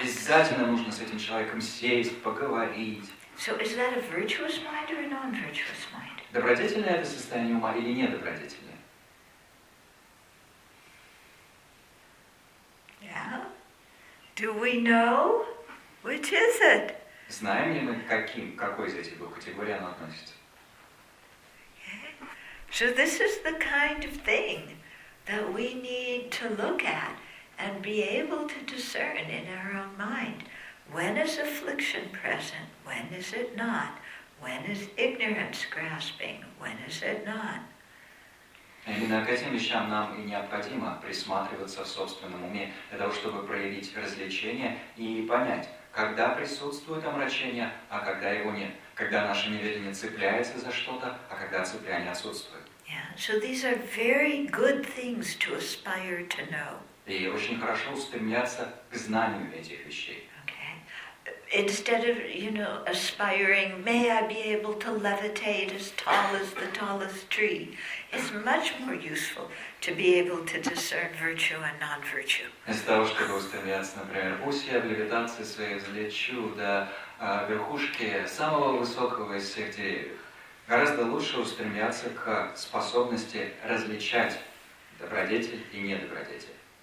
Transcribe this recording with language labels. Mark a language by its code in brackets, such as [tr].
[ru] Обязательно [en] this. [ru] Нужно с этим человеком сесть, поговорить. [en] So is that a virtuous mind or a non-virtuous mind? [ru] Добродетельное это состояние ума или недобродетельное? [en] Yeah. Do we know which is it? [ru] Знаем ли мы, какой из этих двух категорий оно относится? [en] Okay. So this is the kind of thing that we need to look at and be able to discern in our own mind. When is affliction present? When is it not? When is ignorance grasping? When is it not? [ru] Именно к этим вещам нам и необходимо присматриваться в собственном уме, для того, чтобы проявить развлечение и понять, когда присутствует омрачение, а когда его нет, когда наше неведение цепляется за что-то, а когда цепляние отсутствует. [en] Yeah. So these are very good things to aspire to know. [ru] И очень хорошо стремиться к знанию этих вещей. [en] Instead of, you know, aspiring, may I be able to levitate as tall as the tallest tree, it's much more useful to be able to discern virtue and non-virtue. [ru] Из того, чтобы устремляться, например, пусть я в левитации своей взлечу до верхушки самого высокого из всех деревьев, гораздо лучше устремляться к способности различать добродетель и недобродетель.